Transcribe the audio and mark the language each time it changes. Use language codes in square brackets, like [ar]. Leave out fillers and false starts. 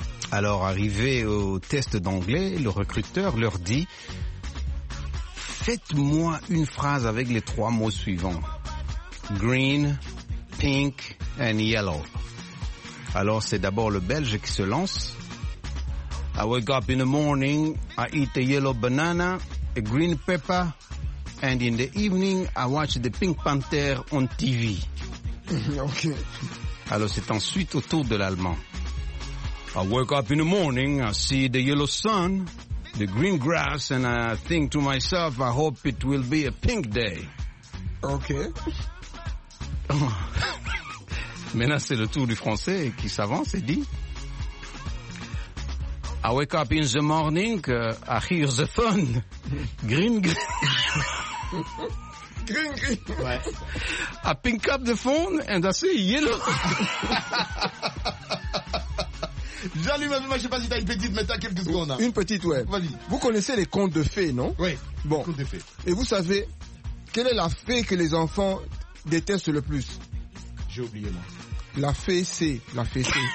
[fr] Alors, arrivé au test d'anglais, le recruteur leur dit, faites-moi une phrase avec les trois mots suivants. [en] Green, pink and yellow. [fr] Alors, c'est d'abord le Belge qui se lance. [en] I wake up in the morning, I eat a yellow banana, a green pepper, and in the evening, I watch the Pink Panther on TV. Ok. [fr] Alors, c'est ensuite au tour de l'Allemand. [en] I wake up in the morning, I see the yellow sun, the green grass, and I think to myself, I hope it will be a pink day. Ok. [fr] Maintenant, c'est le tour du français qui s'avance et dit [en] I wake up in the morning, I hear the phone. Green, green. Green, green. [fr] Ouais. [en] I pick up the phone and I say yellow. [fr] Jean-Louis, je ne sais pas si tu as une petite, mais tu as quelques secondes. Hein. Une petite, ouais. Vas-y. Vous connaissez les contes de fées, non? Oui. Bon. Contes de fées. Et vous savez, quelle est la fée que les enfants détestent le plus? J'ai oublié, moi. La fessée, la fessée.